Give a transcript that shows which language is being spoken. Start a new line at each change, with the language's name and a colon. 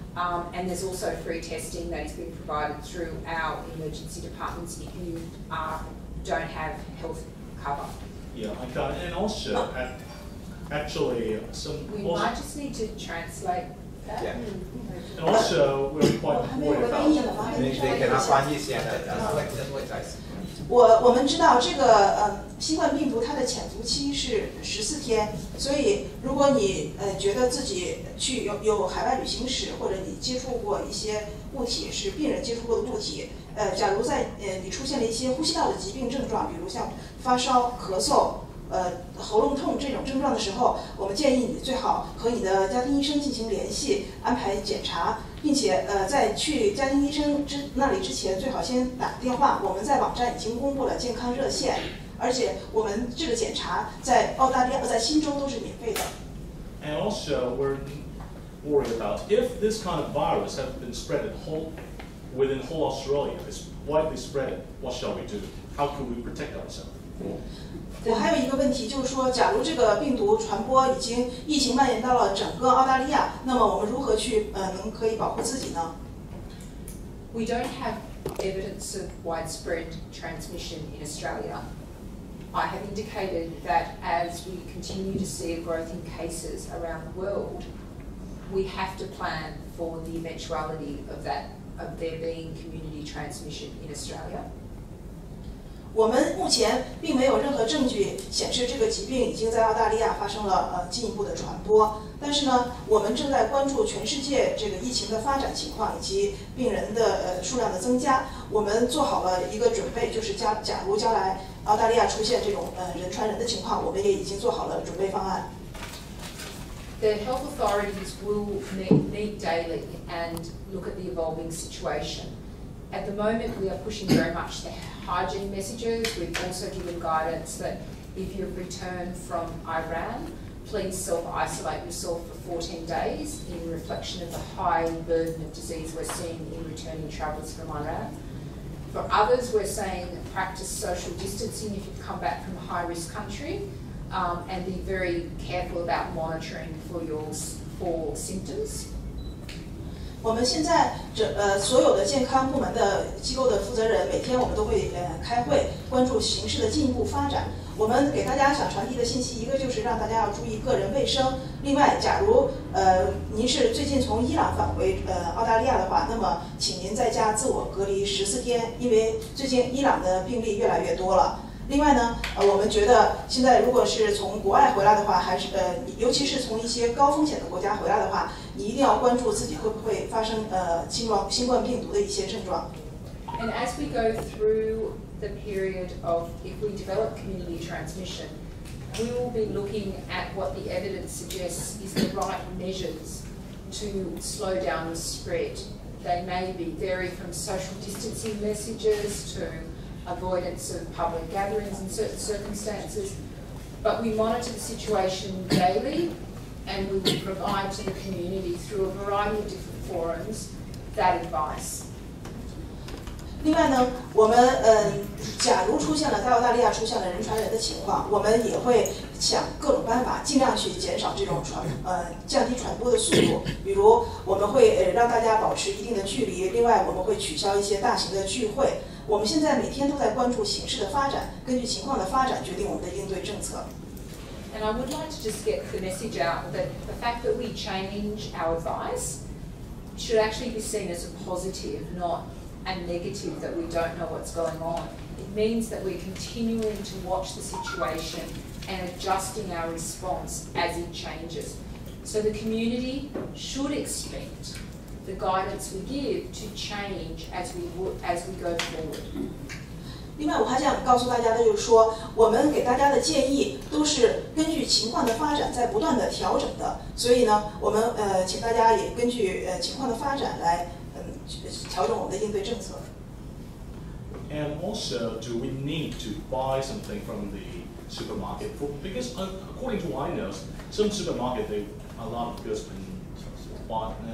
English: And there's also free testing that has been provided through our emergency departments if you don't have health cover. Yeah, I got it. And also, might just need to translate that. Yeah. And also, we're quite worried about it. They can translate it.
Chinese: 我们知道这个新冠病毒它的潜伏期是14天，所以如果你觉得自己去有海外旅行史，或者你接触过一些物体是病人接触过的物体，假如在你出现了一些呼吸道的疾病症状，比如像发烧、咳嗽、喉咙痛这种症状的时候，我们建议你最好和你的家庭医生进行联系，安排检查。并且在去家庭医生那里之前，最好先打个电话。我们在网站已经公布了健康热线，而且我们这个检查在澳大利亚、在新州都是免费的。
English: And also, we're worried about if this kind of virus has been spread within whole Australia, it's widely spread. What shall we do? How can we protect ourselves?
Chinese: 我还有一个问题，就是说，假如这个病毒传播已经疫情蔓延到了整个澳大利亚，那么我们如何去能可以保护自己呢
English: ？We don't have evidence of widespread transmission in Australia. I have indicated that as we continue to see a growth in cases around the world, we have to plan for the eventuality of there being community transmission in Australia.
Chinese: 我们目前并没有任何证据显示这个疾病已经在澳大利亚发生了进一步的传播。但是呢，我们正在关注全世界这个疫情的发展情况以及病人的数量的增加。我们做好了一个准备，就是假如将来澳大利亚出现这种人传人的情况，我们也已经做好了准备方案。
English: The health authorities will meet daily and look at the evolving situation. At the moment, we are pushing very much the hygiene messages. We've also given guidance that if you've returned from Iran, please self-isolate yourself for 14 days in reflection of the high burden of disease we're seeing in returning travelers from Iran. For others, we're saying practice social distancing if you've come back from a high-risk country, and be very careful about monitoring for your symptoms.
Chinese: 我们现在所有的健康部门的机构的负责人，每天我们都会开会，关注形势的进一步发展。我们给大家想传递的信息，一个就是让大家要注意个人卫生。另外，假如您是最近从伊朗返回澳大利亚的话，那么请您在家自我隔离14天，因为最近伊朗的病例越来越多了。另外呢，我们觉得现在如果是从国外回来的话，还是尤其是从一些高风险的国家回来的话，你一定要关注自己会不会发生新冠病毒的一些症状。
English: And as we go through the period of if we develop community transmission, we will be looking at what the evidence suggests is the right measures to slow down the spread. They may be vary from social distancing messages to avoidance of public gatherings in certain circumstances, but we monitor the situation daily and we will provide to the community through a variety of different forums that advice.
Chinese: 另外呢，我们假如出现了在澳大利亚出现了人传人的情况，我们也会想各种办法尽量去减少这种降低传播的速度，比如我们会让大家保持一定的距离，另外我们会取消一些大型的聚会。我们现在每天都在关注形势的发展，根据情况的发展决定我们的应对政策。
English: And I would like to just get the message out that the fact that we change our advice should actually be seen as a positive, not a negative that we don't know what's going on. It means that we're continuing to watch the situation and adjusting our response as it changes. So the community should expect. The guidance we give to change as we go forward.
Chinese: 另外，我还想告诉大家的就是说，我们给大家的建议都是根据情况的发展在不断的调整的。所以呢，我们请大家也根据情况的发展来调整我们的应对政策。
English: And also, do we need to buy something from the supermarket? Because according to what I know, some supermarket they a lot of goods been.